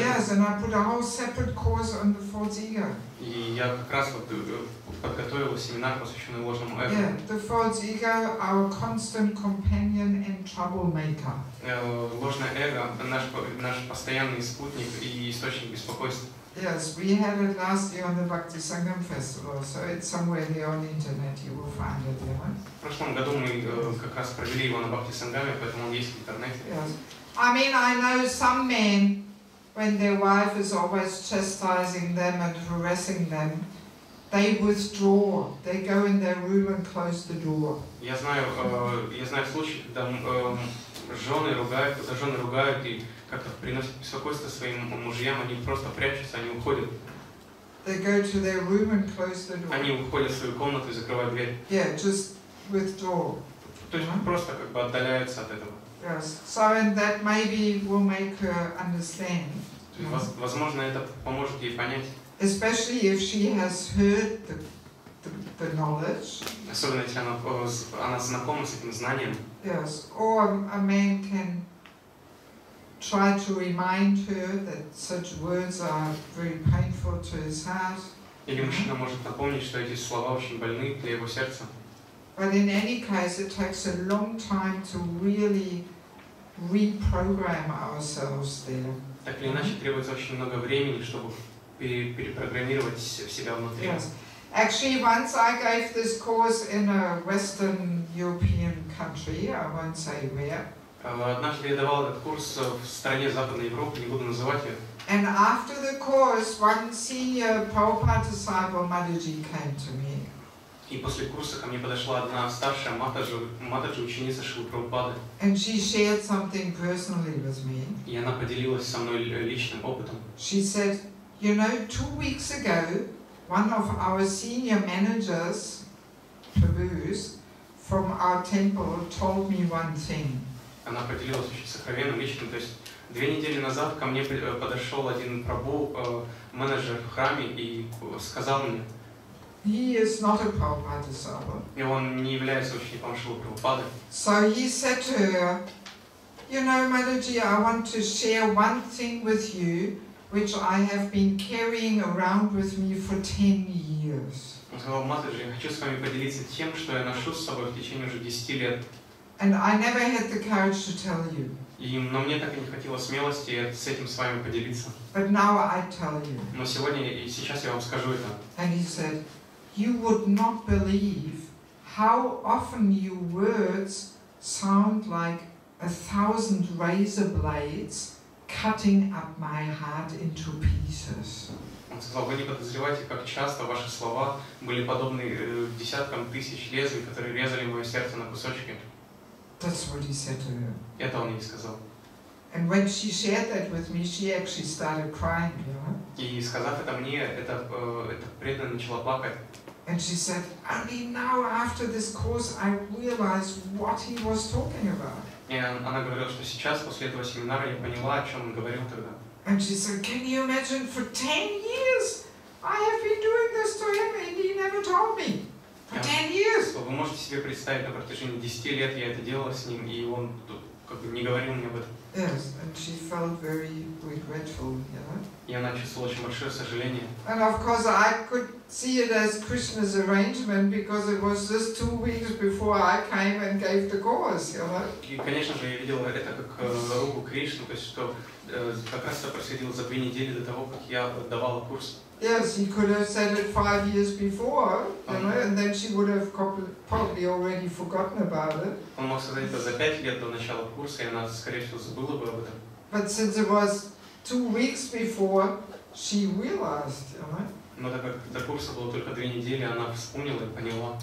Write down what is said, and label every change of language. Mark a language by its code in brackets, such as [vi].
[en] Yes, and I put a whole separate course on the false ego. [ru] И я как раз вот подготовила семинар, посвященный ложному эго. [en] Yeah, the false ego, our constant companion and troublemaker. [ru] Ложное эго — наш постоянный спутник и источник беспокойства. [en] Yes, we had it last year on the Bhakti Sangam festival, so it's somewhere there on the internet, you will find it, yeah? [ru] В прошлом году мы как раз провели его на Бхакти Сангаме, поэтому он есть в интернете. [en] Yes. I mean, I know some men, when their wife is always chastising them and harassing them, they withdraw, they go in their room and close the door. [ru] Я знаю случаи, когда жены ругают и как-то приносят беспокойство своим мужьям, они просто прячутся, они уходят. [en] They go to their room and close the door. [ru] Они уходят в свою комнату и закрывают дверь. [en] Yeah, just withdraw. [ru] То есть просто как бы отдаляются от этого. [en] Yes. So and that maybe will make her understand. [ru] Возможно, это поможет ей понять. [en] Especially if she has heard the knowledge. [ru] Особенно если она знакома с этим знанием. [en] Yes. Or a man can try to remind her that such words are very painful to his heart. [ru] Или мужчина может напомнить, что эти слова очень больны для его сердца. [en] But in any case, it takes a long time to really reprogram ourselves there. [ru] Так или иначе, требуется очень много времени, чтобы перепрограммировать себя внутри. [en] Yes. Actually, once I gave this course in a Western European country, I won't say where. [ru] Однажды я давал этот курс в стране Западной Европы, не буду называть ее. [en] And after the course, one senior Prabhupada disciple Mataji came to me. [ru] И после курса ко мне подошла одна старшая Матаджи, ученица Шрилы Прабхупады. [en] And she shared something personally with me. [ru] И она поделилась со мной личным опытом. [en] She said, you know, 2 weeks ago, one of our senior managers, Prabhu's, from our temple, told me one thing. [ru] Она поделилась очень сокровенно, лично. То есть 2 недели назад ко мне подошел один прабху, менеджер в храме, и сказал мне. [en] He is not a Prabhupada disciple. [ru] И он не является учеником Шрилы Прабхупады. [en] So he said to her, you know, Mataji, I want to share one thing with you, which I have been carrying around with me for 10 years. [ru] Он сказал, Мададжи, я хочу с вами поделиться тем, что я ношу с собой в течение уже 10 лет. [en] And I never had the courage to tell you. [ru] Но мне так и не хватило смелости с этим с вами поделиться. [en] But now I tell you. [ru] Но сегодня и сейчас я вам скажу это. [en] And he said, you would not believe how often your words sound like 1,000 razor blades cutting up my heart into pieces. [ru] Он сказал, вы не подозреваете, как часто ваши слова были подобны десяткам тысяч лезвий, которые резали мое сердце на кусочки. [en] That's what he said to her. [ru] Это он ей сказал. [en] And when she shared that with me, she actually started crying, you know? [ru] И сказав это мне, эта преданная начала плакать. [en] And she said, only now after this course I realized what he was talking about. [ru] И она говорила, что сейчас, после этого семинара, я поняла, о чем он говорил тогда. [en] And she said, can you imagine for 10 years I have been doing this to him and he never told me? For 10 years. [ru] Вы можете себе представить, на протяжении 10 лет я это делала с ним, и он как бы не говорил мне об этом. [en] Yes, and she felt very regretful, yeah. [ru] И она чувствовала очень большое сожаление. [en] And of course I could see it as Krishna's arrangement because it was just 2 weeks before I came and gave the course, you know. [ru] И конечно же я видела это как руку Кришны, то есть что как раз это происходило за 2 недели до того, как я давала курс. [en] Yes, he could have said it 5 years before, you know, and then she would have probably already forgotten about it. [ru] Он мог сказать это за 5 лет до начала курса, и она, скорее всего, забыла бы об этом. [en] But since it was 2 weeks before, she realized, you know. [ru] Но так как до курса было только 2 недели, она вспомнила и поняла.